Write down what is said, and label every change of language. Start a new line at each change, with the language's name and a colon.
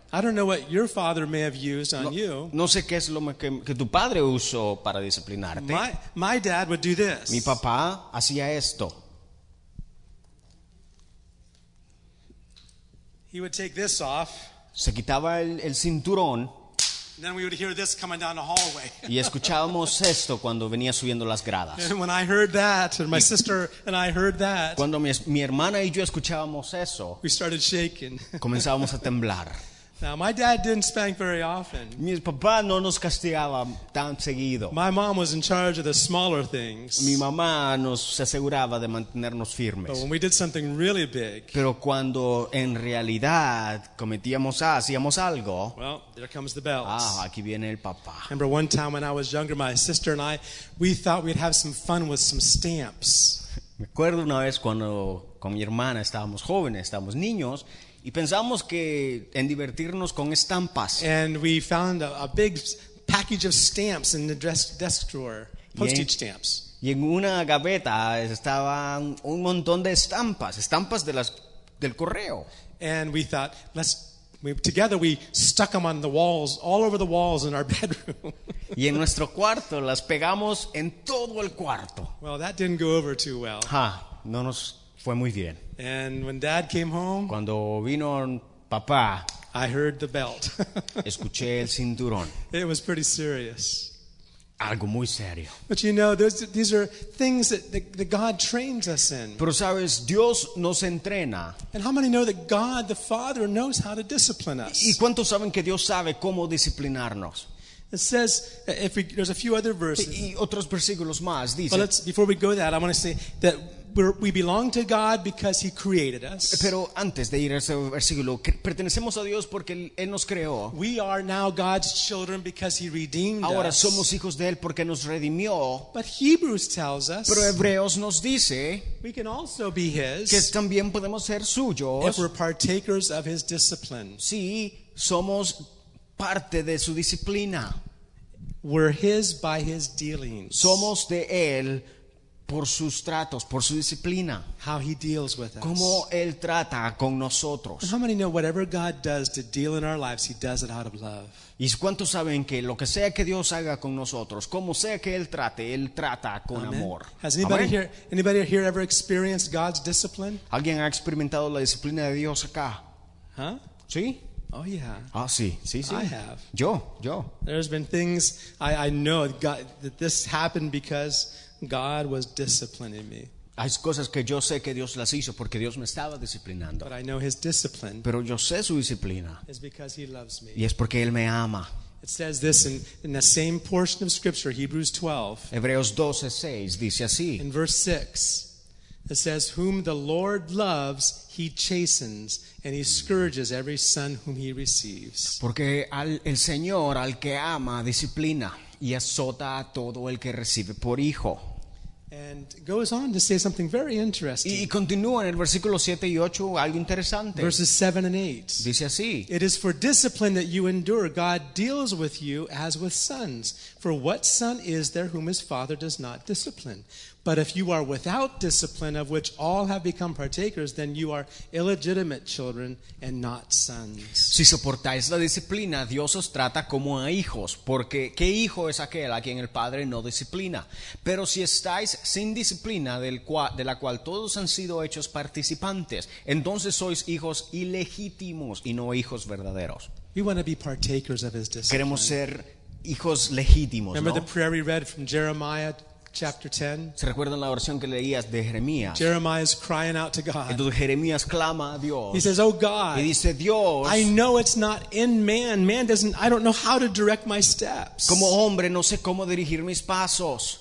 English: I don't know what your father may have used on you.
Spanish: No sé qué es lo que tu padre usó para disciplinarte.
English: My dad would do this.
Spanish: Mi papá hacía esto.
English: He would take this off.
Spanish: Se quitaba el cinturón.
English: And then we would hear this coming down the hallway.
Spanish: Y escuchábamos esto cuando venía subiendo las gradas.
English: And when I heard that, and my sister and I heard that,
Spanish: cuando mi hermana y yo escuchábamos eso,
English: we started shaking.
Spanish: Comenzábamos a temblar.
English: Now my dad didn't spank very often.
Spanish: Mi papá no nos castigaba tan seguido.
English: My mom was in charge of the smaller things.
Spanish: Mi mamá nos aseguraba de mantenernos firmes.
English: But when we did something really big,
Spanish: pero cuando en realidad cometíamos hacíamos algo,
English: well, there comes the bells.
Spanish: Ah, aquí viene el papá.
English: Remember one time when I was younger, my sister and I, we thought we'd have some fun with some stamps.
Spanish: Me acuerdo una vez cuando con mi hermana estábamos jóvenes, estábamos niños. Y pensamos que en divertirnos con estampas.
English: And we found a big package of stamps in the desk drawer, postage stamps.
Spanish: Y en una gaveta estaban un montón de estampas de las del correo.
English: And we thought, we stuck them on the walls, all over the walls in our bedroom.
Spanish: Y en nuestro cuarto las pegamos en todo el cuarto.
English: Well, that didn't go over too well.
Spanish: No nos fue muy bien.
English: And when Dad came home,
Spanish: cuando vino papá,
English: I heard the belt.
Spanish: Escuché el cinturón.
English: It was pretty serious.
Spanish: Algo muy serio.
English: But you know, these are things that God trains us in.
Spanish: Pero sabes, Dios nos entrena.
English: And how many know that God, the Father, knows how to discipline us?
Spanish: ¿Y cuántos saben que Dios sabe cómo disciplinarnos?
English: It says, there's a few other verses.
Spanish: Y otros versículos más, dice.
English: But before we go to that, I want to say that we belong to God because He created us.
Spanish: Pero antes de ir a ese versículo, pertenecemos a Dios porque Él nos creó.
English: We are now God's children because He redeemed us.
Spanish: Ahora somos hijos de Él porque nos redimió.
English: But Hebrews tells us.
Spanish: Pero Hebreos nos dice.
English: We can also be His.
Spanish: Que también podemos ser suyos.
English: If we're partakers of His discipline.
Spanish: Sí, somos parte de su disciplina.
English: We're His by His dealings.
Spanish: Somos de Él. Por sus tratos, por su disciplina.
English: How he deals with us.
Spanish: Cómo él trata con nosotros.
English: How many know whatever God does to deal in our lives, he does it out of love.
Spanish: ¿Y cuántos saben que lo que sea que Dios haga con nosotros, como sea que él trata con
English: Amen.
Spanish: Amor?
English: Has anybody here ever experienced God's discipline?
Spanish: ¿Alguien ha experimentado la disciplina de Dios acá? ¿Sí?
English: Oh yeah.
Spanish: Ah, sí.
English: I have.
Spanish: Yo.
English: There's been things I know that this happened because God was disciplining me.
Spanish: Hay cosas que yo sé que Dios las hizo porque Dios me estaba disciplinando.
English: But I know His discipline.
Spanish: Pero yo sé su disciplina.
English: Is because He loves me.
Spanish: Y es porque él me ama.
English: It says this in the same portion of Scripture, Hebrews 12.
Spanish: Hebreos 12:6 dice así.
English: In verse 6, it says, "Whom the Lord loves, He chastens, and He scourges every son whom He receives."
Spanish: Porque el Señor al que ama disciplina. Y azota a todo el que recibe por hijo.
English: And goes on to say something very interesting.
Spanish: Y continúa en el versículo 7 y 8 algo interesante.
English: Verses 7 and 8.
Spanish: Dice así.
English: It is for discipline that you endure. God deals with you as with sons. For what son is there whom his father does not discipline? But if you are without discipline, of which all have become partakers, then you are illegitimate children and not sons.
Spanish: Si soportáis la disciplina, Dios os trata como a hijos, porque ¿qué hijo es aquel a quien el padre no disciplina? Pero si estáis sin disciplina, de la cual todos han sido hechos participantes, entonces sois hijos ilegítimos y no hijos verdaderos.
English: We want to be partakers of His discipline.
Spanish: Queremos ser hijos legítimos, ¿no?
English: Remember the prayer we read from Jeremiah? Chapter 10.
Spanish: ¿Se recuerdan la oración que leías de Jeremías?
English: Jeremiah is crying out to God.
Spanish: Entonces Jeremías clama a Dios.
English: He says, "Oh God."
Spanish: Y dice, Dios,
English: "I know it's not in man. I don't know how to direct my steps."
Spanish: Como hombre no sé cómo dirigir mis pasos.